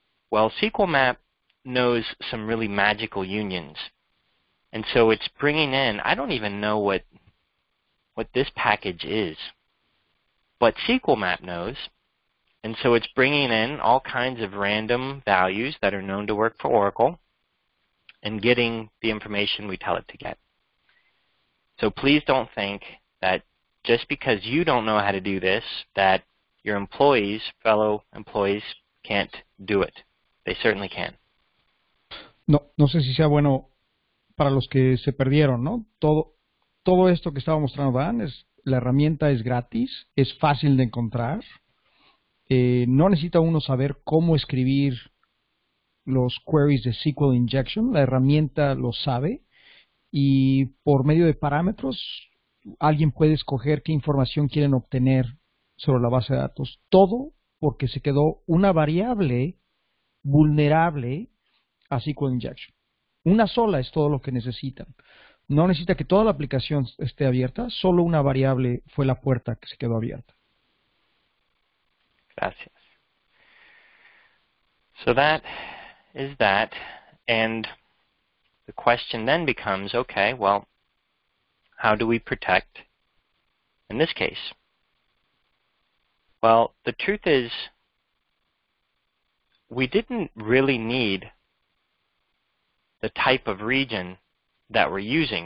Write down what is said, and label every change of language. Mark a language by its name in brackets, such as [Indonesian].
[English] Well, SQL Map knows some really magical unions, and so it's bringing in, I don't even know what this package is, but SQL Map knows, and so it's bringing in all kinds of random values that are known to work for Oracle and getting the information we tell it to get. So please don't think that just because you don't know how to do this that your employees, fellow employees, can't do it. They certainly can. [Spanish] No sé si sea bueno para los que se perdieron, ¿no? Todo esto que estaba mostrando Dan, es la herramienta es gratis, es fácil de encontrar. No necesita uno saber cómo escribir los queries de SQL Injection. La herramienta lo sabe. Y por medio de parámetros, alguien puede escoger qué información quieren obtener sobre la base de datos. Todo porque se quedó una variable vulnerable a SQL Injection. Una sola es todo lo que necesitan. No necesita que toda la aplicación esté abierta, solo una variable fue la puerta que se quedó abierta. Gracias. [English] So that is that, and the question then becomes, okay, well, how do we protect in this case? Well, the truth is, we didn't really need the type of region that we're using.